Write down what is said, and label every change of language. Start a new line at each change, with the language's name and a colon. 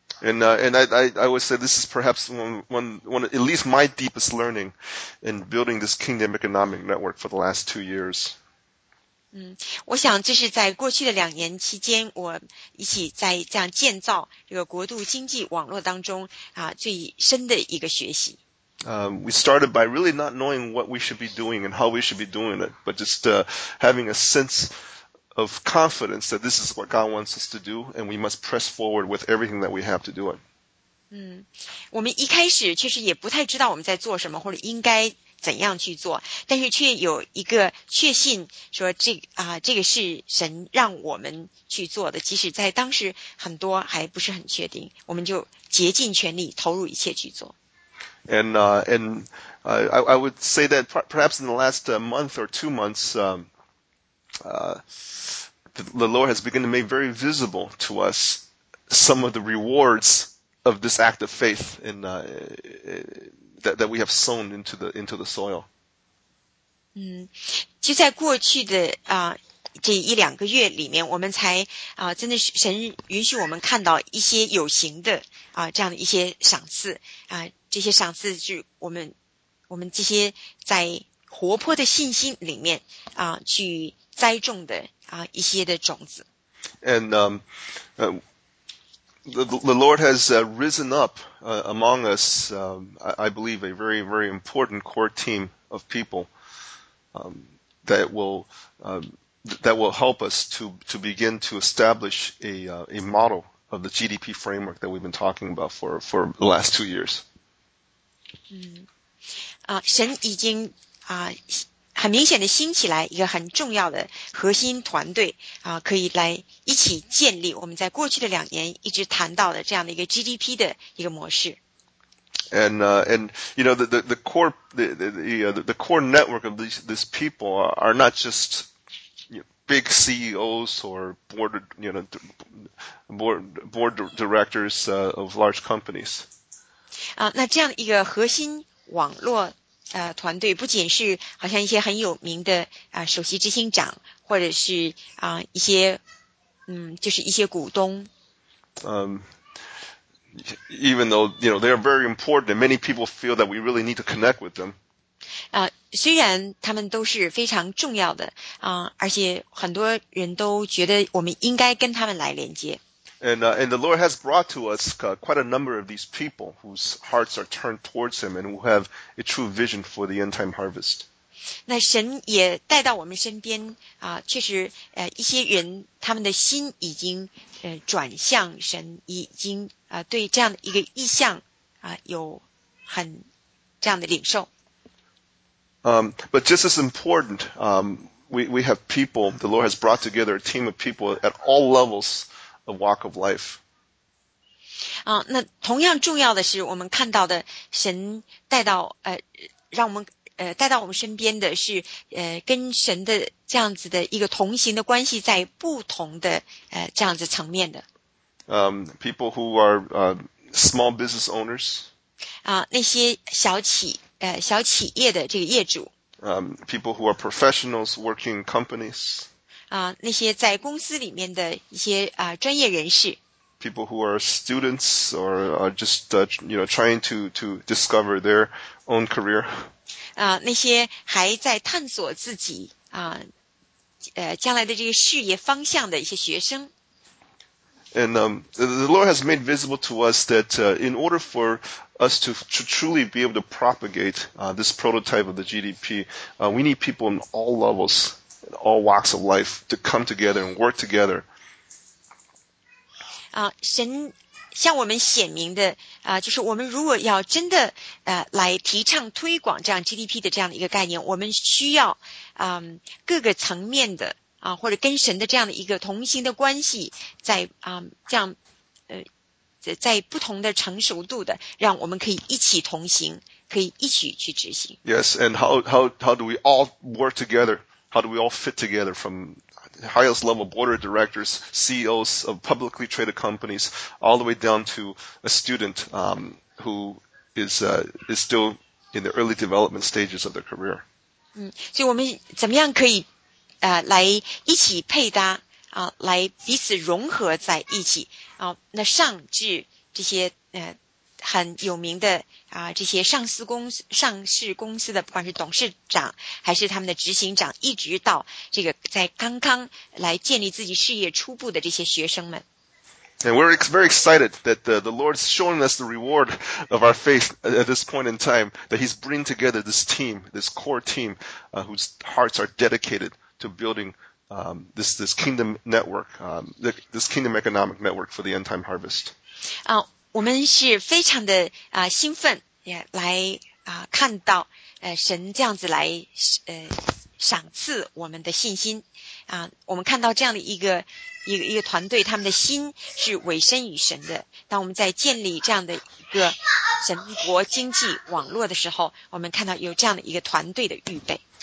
English: And I would say this is perhaps one at least my deepest learning in building this kingdom economic network for the last 2 years.
Chinese: 我想这是在过去的两年期间，我一起在这样建造这个国度经济网络当中最深的一个学习。
English: We started by really not knowing what we should be doing and how we should be doing it, but just having a sense of confidence that this is what God wants us to do, and we must press forward with everything that we have to do it.
Chinese: 我们一开始确实也不太知道我们在做什么，或者应该怎样去做，但是却有一个确信说这个是神让我们去做的，即使在当时很多还不是很确定，我们就竭尽全力投入一切去做。
English: And I would say that perhaps in the last month or 2 months, the Lord has begun to make very visible to us some of the rewards of this act of faith in, that we have sown into the soil.
Chinese: 就在过去的这一两个月里面，我们才真的是神允许我们看到一些有形的这样的一些赏赐这些赏赐是我们这些在活泼的信心里面去栽种的一些的种子。
English: The Lord has risen up among us, I believe, a very, very important core team of people that will help us to begin to establish a model of the GDP framework that we've been talking about for the last 2 years.
Chinese: 神已经很明显的兴起来一个很重要的核心团队可以来一起建立我们在过去的两年一直谈到的这样的一个 GDP 的一个模式。
English: And you know the core network of these people are not just big CEOs or board directors of large companies.
Chinese: 那这样一个核心网络团队，不仅是好像一些很有名的首席执行长，或者是一些就是一些股东。
English: Even though, you know, they are very important and many people feel that we really need to connect with them.
Chinese: 虽然他们都是非常重要的而且很多人都觉得我们应该跟他们来连接。
English: And the Lord has brought to us quite a number of these people whose hearts are turned towards Him and who have a true vision for the end time harvest.
Chinese: 那神也带到我们身边确实一些人他们的心已经转向神，已经对这样的一个意向有很这样的领受。
English: But just as important, we have people, the Lord has brought together a team of people at all levels of walk of life.
Chinese: 那同样重要的是我们看到的神带到让我们带到我们身边的是跟神的这样子的一个同行的关系在不同的这样子层面的。
English: People who are small business owners.
Chinese: 那些小企业的这个业主。
English: People who are professionals working in companies.
Chinese: 那些在公司里面的一些专业人士。
English: People who are students or just you know, trying to discover their own career.
Chinese: 那些还在探索自己将来的这个事业方向的一些学生。
English: And the Lord has made visible to us that in order for us to truly be able to propagate this prototype of the GDP, we need people in all levels, in all walks of life to come together and work together.
Chinese: 神向我们显明的就是我们如果要真的来提倡推广这样 GDP 的这样的一个概念，我们需要各个层面的或者跟神的这样的一个同行的关系，在这样在不同的成熟度的，让我们可以一起同行，可以一起去执行。
English: Yes, and how do we all work together? How do we all fit together from highest level board of directors, CEOs of publicly traded companies, all the way down to a student who is still in the early development stages of their career?
Chinese: 所以我们怎么样可以来一起配搭来彼此融合在一起那上至这些很有名的这些上市公司的不管是董事长还是他们的执行长，一直到这个在刚刚来建立自己事业初步的这些学生们。
English: And we're very excited that the Lord's showing us the reward of our faith at this point in time, that He's bringing together this team, this core team, whose hearts are dedicated to building this kingdom network, this kingdom economic network for the end time harvest.
Chinese: 我们是非常的兴奋来看到神这样子来赏赐我们的信心。我们看到这样的一个团队，他们的心是委身于神的。当我们在建立这样的一个神国经济网络的时候，我们看到有这样的一个团队的预备。